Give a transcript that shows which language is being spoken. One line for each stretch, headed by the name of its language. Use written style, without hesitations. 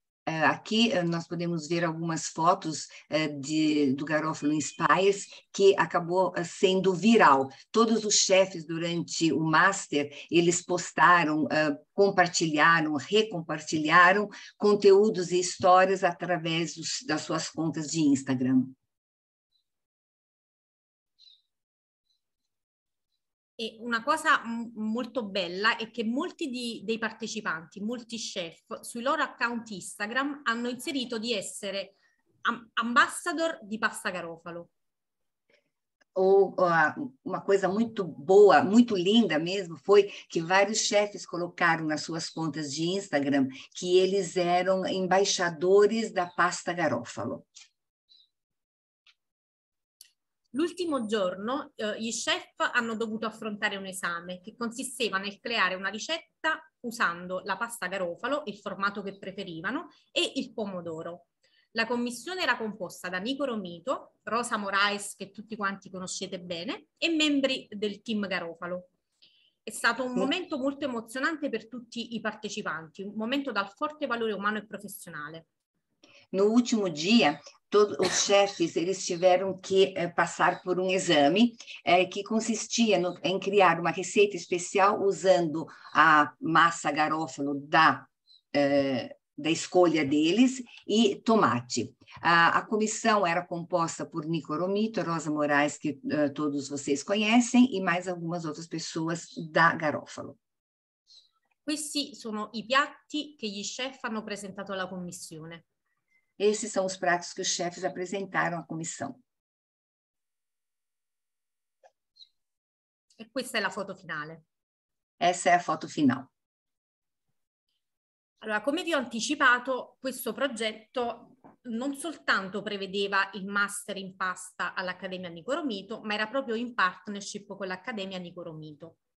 Portuguese: Aqui nós podemos ver algumas fotos do Garofalo Inspires, que acabou sendo viral. Todos os chefes durante o Master, eles postaram, compartilharam, recompartilharam conteúdos e histórias através das suas contas de Instagram.
Italian: E una cosa molto bella è che molti dei partecipanti, molti chef, sui loro account Instagram hanno inserito di essere ambassador di pasta Garofalo.
Portuguese: Uma coisa muito boa, muito linda mesmo, foi que vários chefes colocaram nas suas contas de Instagram que eles eram embaixadores da pasta Garofalo.
Italian: L'ultimo giorno gli chef hanno dovuto affrontare un esame che consisteva nel creare una ricetta usando la pasta Garofalo, il formato che preferivano, e il pomodoro. La commissione era composta da Nico Romito, Rosa Moraes, che tutti quanti conoscete bene, e membri del team Garofalo. È stato un momento molto emozionante per tutti i partecipanti, un momento dal forte valore umano e professionale.
Portuguese: No último dia, todos os chefes, eles tiveram que passar por um exame que consistia em criar uma receita especial usando a massa Garofalo da escolha deles e tomate. A comissão era composta por Nico Romito, Rosa Moraes, que todos vocês conhecem, e mais algumas outras pessoas da Garofalo.
Italian: Questi sono i piatti che gli chef hanno presentato alla commissione.
Portuguese: Esses são os pratos que os chefes apresentaram à comissão.
Italian: E questa è la foto finale.
Portuguese: Essa é a foto final.
Italian: Allora, come vi ho anticipato, questo progetto non soltanto prevedeva il master in pasta all'Accademia Nico Romito, ma era proprio in partnership con l'Accademia Nico Romito.